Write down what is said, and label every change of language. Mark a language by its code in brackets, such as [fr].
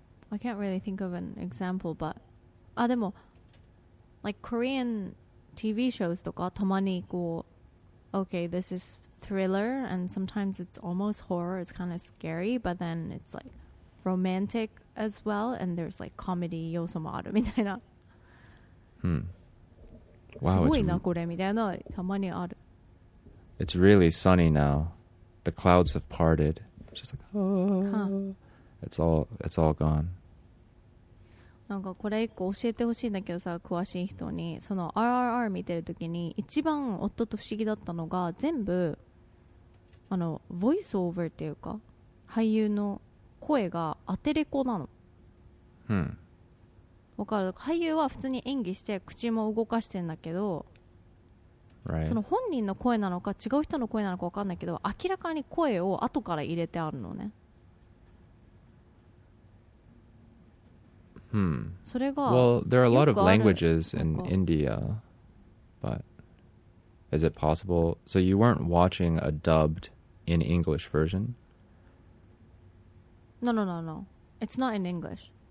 [en] I can't really think of an example, but でも like Korean TV shows [ja] とかたまにこう [en] okay, this is thriller and sometimes it's almost horror, it's kind of scary, but then it's like romantic as well and there's like comedy [ja] 要素もあるみたいな。 [en] Wow, [ja] すごいなこれみたいなたまにある。 [en] It's really sunny now. The clouds have parted. It's just like, oh, it's all gone. [ja] なんかこれ一個教えてほしいんだけどさ、詳しい人に。その RRR 見てるときに一番夫と不思議だったのが、全部あのボイスオーバーっていうか俳優の声がアテレコなの。うん、わかる。俳優は普通に演技して口も動かしてんだけど、 [en] right. [ja] その本人の声なのか違う人の声なのかわかんないけど、明らかに声を後から入れてあるのね。 Hmm. [en] Well, there are a lot of languages in India, but is it possible? So you weren't watching a dubbed in English version? No. It's not in English.